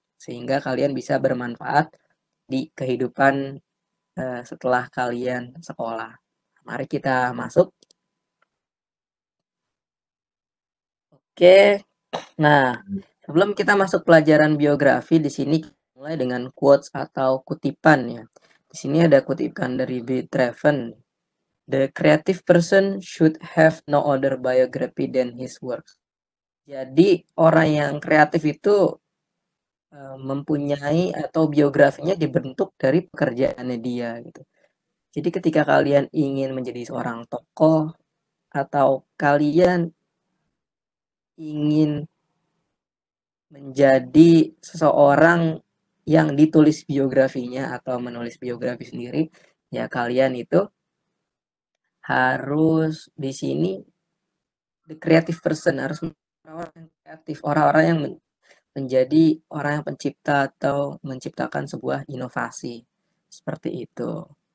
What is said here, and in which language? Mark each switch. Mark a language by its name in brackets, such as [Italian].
[Indonesian] Sehingga kalian bisa bermanfaat di kehidupan setelah kalian sekolah. Mari kita masuk. Oke. Nah, sebelum kita masuk pelajaran biografi, di sini mulai dengan quotes atau kutipan ya. Di sini ada kutipan dari B. Treven. [English] The creative person should have no other biography than his work. [Indonesian] Jadi, orang yang kreatif itu mempunyai atau biografinya dibentuk dari pekerjaannya dia gitu. Jadi ketika kalian ingin menjadi seorang tokoh atau kalian ingin menjadi seseorang yang ditulis biografinya atau menulis biografi sendiri, ya kalian itu harus di sini [English] the creative person [Indonesian] harus orang yang kreatif, orang-orang yang menjadi orang yang pencipta atau menciptakan sebuah inovasi seperti itu.